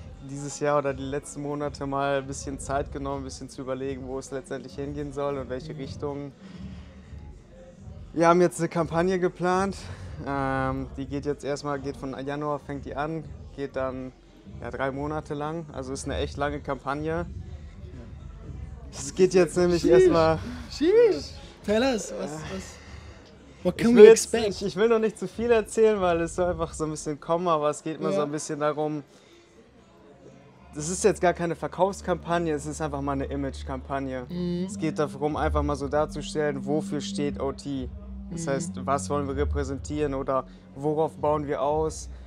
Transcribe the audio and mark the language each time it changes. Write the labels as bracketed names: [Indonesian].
[German] Dieses Jahr oder die letzten Monate mal ein bisschen Zeit genommen, ein bisschen zu überlegen, wo es letztendlich hingehen soll und welche Richtung. Wir haben jetzt eine Kampagne geplant. Die geht jetzt erstmal, geht von Januar, fängt die an, geht dann ja, 3 Monate lang. Also ist eine echt lange Kampagne. Es geht jetzt nämlich erstmal. Sheesh! [English] Tell us, what can we expect? [German] Ich will noch nicht zu viel erzählen, weil es soll einfach so ein bisschen kommen, aber es geht immer so ein bisschen darum. Das ist jetzt gar keine Verkaufskampagne, es ist einfach mal eine Image-Kampagne. Es geht darum, einfach mal so darzustellen, wofür steht OT. Das heißt, was wollen wir repräsentieren oder worauf bauen wir aus?